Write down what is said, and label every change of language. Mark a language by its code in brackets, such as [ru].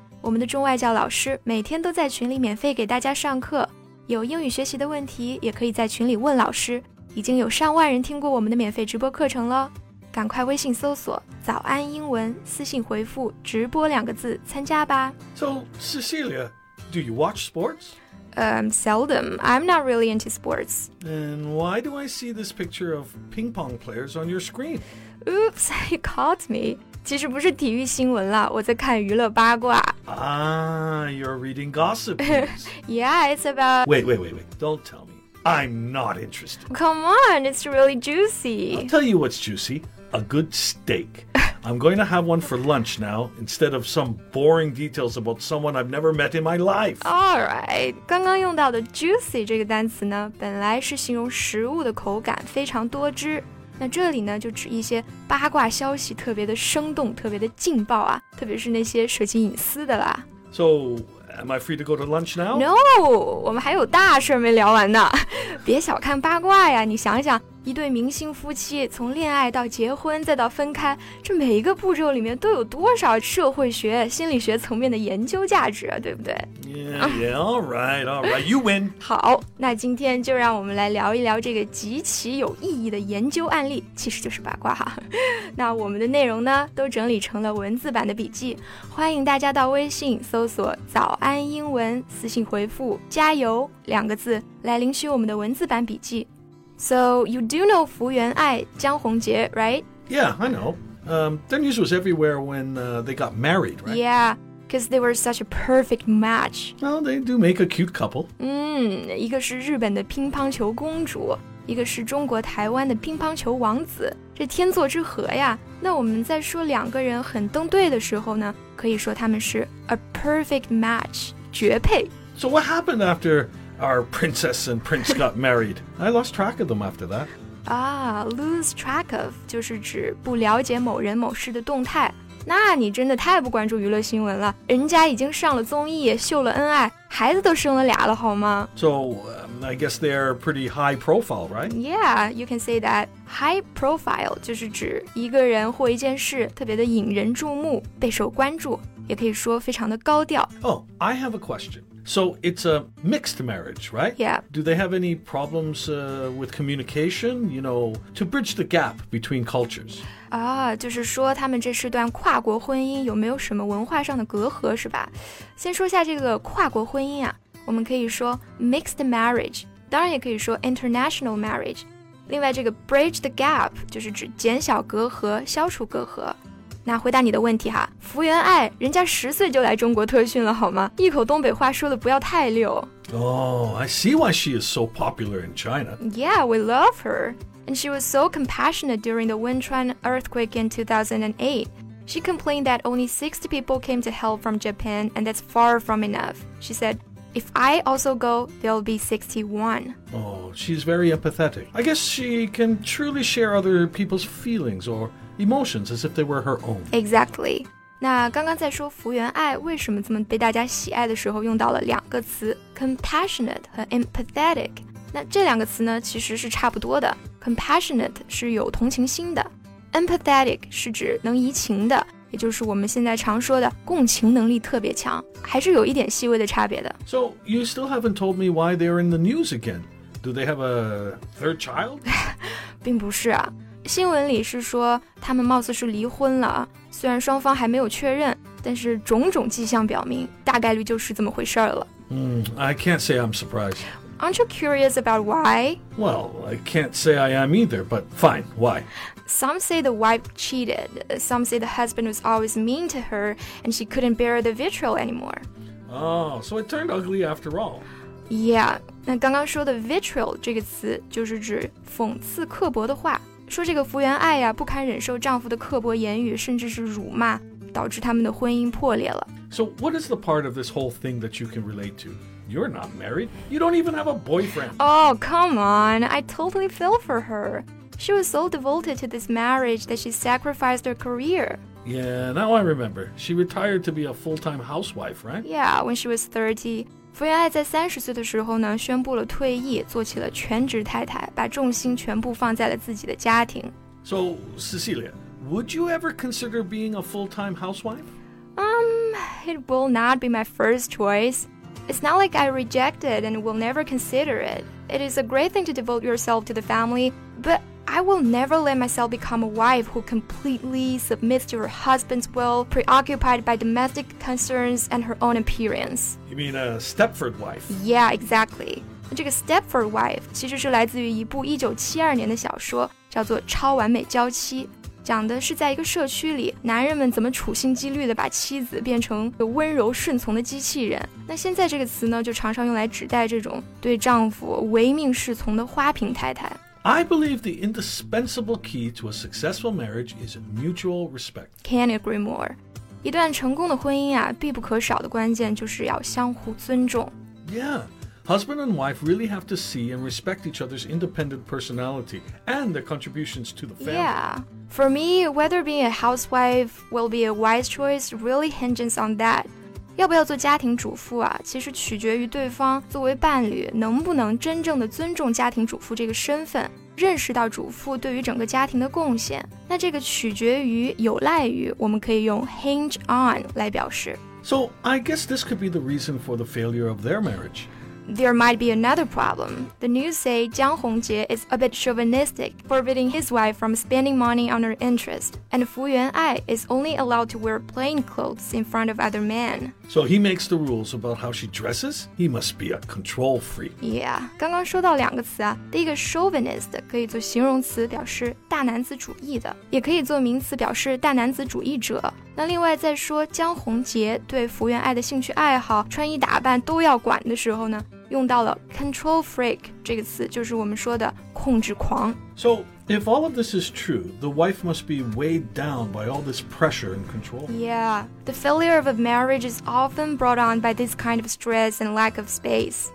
[zh] 我们的中外教老师每天都在群里免费给大家上课，有英语学习的问题也可以在群里问老师，已经有上万人听过我们的免费直播课程了。赶快微信搜索早安英文，私信回复直播两个字参加吧。 [en] So, Cecilia, do you watch sports? Seldom. I'm not really into sports. And why do I see this picture of ping pong players on your screen? Oops, you caught me. [zh] 其实不是体育新闻了，我在看娱乐八卦。 [en] You're reading gossip. Yeah, it's about... Wait. Don't tell me. I'm not interested. Come on, it's really juicy. I'll tell you what's juicy. A good steak. I'm going to have one for lunch now, instead of some boring details about someone I've never met in my life. Alright, [zh] 刚刚用到的 juicy 这个单词呢，本来是形容食物的口感非常多汁。那这里呢，就指一些八卦消息特别的生动，特别的劲爆啊，特别是那些涉及隐私的啦。 [en] So, am I free to go to lunch now? No, [zh] 我们还有大事没聊完呢。别小看八卦呀，你想想。一对明星夫妻从恋爱到结婚再到分开，这每一个步骤里面都有多少社会学心理学层面的研究价值，对不对？ [en] Yeah, alright, you win. [zh] 好，那今天就让我们来聊一聊这个极其有意义的研究案例，其实就是八卦哈。那我们的内容呢都整理成了文字版的笔记，欢迎大家到微信搜索早安英文，私信回复加油两个字来领取我们的文字版笔记。 [en] So, you do know 福原爱、江宏杰, right? Yeah, I know. Their news was everywhere when they got married, right? Yeah, because they were such a perfect match. Well, they do make a cute couple. [zh] 一个是日本的乒乓球公主，一个是中国台湾的乒乓球王子，这天作之合呀。那我们在说两个人很登对的时候呢，可以说他们是 [en] a perfect match, [zh] 绝配。 [en] So what happened after... Our princess and prince got married. I lost track of them after that. Lose track of [zh] 就是指不了解某人某事的动态。那你真的太不关注娱乐新闻了。人家已经上了综艺，秀了恩爱，孩子都生了俩了，好吗？ [en] So, I guess they're pretty high profile, right? Yeah, you can say that. High profile [zh] 就是指一个人或一件事特别的引人注目，备受关注，也可以说非常的高调。 [en] Oh, I have a question. So it's a mixed marriage, right? Yeah. Do they have any problems with communication, you know, to bridge the gap between cultures? [zh] 就是说他们这是段跨国婚姻有没有什么文化上的隔阂是吧？先说下这个跨国婚姻啊，我们可以说 [en] mixed marriage, [zh] 当然也可以说 [en] international marriage. [zh] 另外这个 [en] bridge the gap [zh] 就是指减小隔阂，消除隔阂。那回答你的问题哈，福原爱人家十岁就来中国特训了好吗？一口东北话说的不要太溜。 [en] I see why she is so popular in China. Yeah, we love her. And she was so compassionate during the Wenchuan earthquake in 2008. She complained that only 60 people came to help from Japan, and that's far from enough. She said, if I also go, there'll be 61. Oh, she's very empathetic. I guess she can truly share other people's feelings orEmotions as if they were her own. Exactly. [zh] 那刚刚在说福原爱为什么这么被大家喜爱的时候用到了两个词 compassionate 和 empathetic. 那这两个词呢其实是差不多的。Compassionate 是有同情心的。 Empathetic 是指能移情的，也就是我们现在常说的共情能力特别强，还是有一点细微的差别的。 [en] So you still haven't told me why they're in the news again. Do they have a third child? [zh] 并不是啊。新闻里是说他们貌似是离婚了，虽然双方还没有确认，但是种种迹象表明大概率就是这么回事了。 [en] I can't say I'm surprised. Aren't you curious about why? Well, I can't say I am either, but fine, why? Some say the wife cheated. Some say the husband was always mean to her and she couldn't bear the vitriol anymore. Oh, so it turned ugly after all. [zh] Yeah, 那刚刚说的 vitriol 这个词就是指讽刺刻薄的话，说这个福原爱呀、啊、不堪忍受丈夫的刻薄言语甚至是辱骂，导致他们的婚姻破裂了。 [en] So what is the part of this whole thing that you can relate to? You're not married. You don't even have a boyfriend. Oh, come on. I totally feel for her. She was so devoted to this marriage that she sacrificed her career. Yeah, now I remember. She retired to be a full-time housewife, right? Yeah, when she was 30. [zh] 福原爱在30岁的时候呢，宣布了退役，做起了全职太太，把重心全部放在了自己的家庭。 [en] So, Cecilia, would you ever consider being a full-time housewife? It will not be my first choice. It's not like I reject it and will never consider it. It is a great thing to devote yourself to the family, but I will never let myself become a wife who completely submits to her husband's will, preoccupied by domestic concerns and her own appearance. You mean a Stepford wife? Yeah, exactly. [zh] 这个 Stepford wife 其实是来自于一部1972年的小说，叫做《超完美娇妻》。讲的是在一个社区里，男人们怎么处心积虑地把妻子变成个温柔顺从的机器人。那现在这个词呢，就常常用来指代这种对丈夫唯命是从的花瓶太太。 [en] I believe the indispensable key to a successful marriage is mutual respect. Can't agree more. [zh] 一段成功的婚姻啊，必不可少的关键就是要相互尊重。 [en] Yeah. Husband and wife really have to see and respect each other's independent personality and their contributions to the family. Yeah. For me, whether being a housewife will be a wise choice really hinges on that. [zh] 要不要做家庭主妇啊，其实取决于对方作为伴侣能不能真正的尊重家庭主妇这个身份，认识到主妇对于整个家庭的贡献。那这个取决于有赖于，我们可以用 [en] hinge on [zh] 来表示。 [en] So, I guess this could be the reason for the failure of their marriage. There might be another problem. The news say Jiang Hongjie is a bit chauvinistic, forbidding his wife from spending money on her interest. And Fu Yuanai is only allowed to wear plain clothes in front of other men. So he makes the rules about how she dresses? He must be a control freak. [zh] Yeah, 刚刚说到两个词啊，第一个 chauvinist 可以做形容词表示大男子主义的，也可以做名词表示大男子主义者。那另外在说江宏杰对福原爱的兴趣爱好穿衣打扮都要管的时候呢，用到了 [en] control freak [zh] 这个词，就是我们说的控制狂。 [en] So if all of this is true, the wife must be weighed down by all this pressure and control. Yeah, the failure of a marriage is often brought on by this kind of stress and lack of space.